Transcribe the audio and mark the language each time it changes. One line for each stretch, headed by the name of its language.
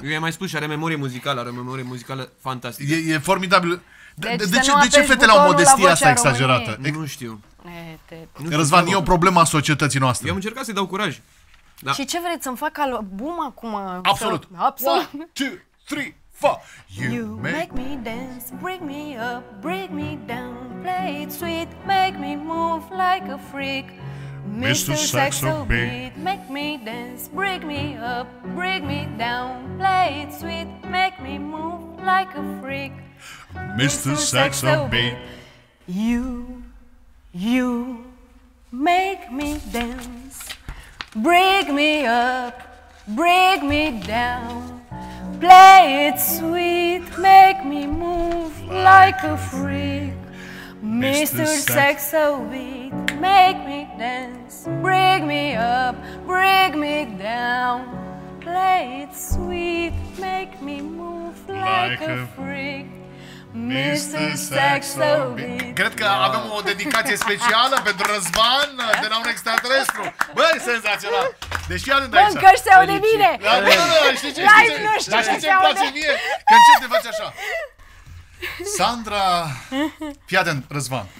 Romanian: Eu i-am mai spus și are memorie muzicală, are memorie muzicală fantastică. E formidabil. De ce fetele au modestia asta exagerată? Nu știu. Răzvan, e o problemă a societății noastre. Eu am încercat să-i dau curaj. Da. Și ce vreți să-mi fac album acum? Absolut! Absolut!
English: 1, 2, 3, 4! You make me dance, bring me up, bring me down, play it sweet, make me move like a freak. Mr. Saxo beat, make me dance, bring me up, bring me down, play it sweet, make me move like a freak. Mr. Saxo beat, you make me dance. Break me up, break me down, play it sweet, make me move like a freak. Mr. Sexo beat, make me dance, break me up, break me down, play it sweet, make me move like a freak. Mr. Sexo beat.
Romanian: Cred că avem o dedicație specială pentru Răzvan de la un extraterestru. Băi, senzațional. Deși iar îndrăgi. Încă se aude bine. Știi ce îmi place mie? Că încep să faci așa. Sandra, fii atent, Răzvan.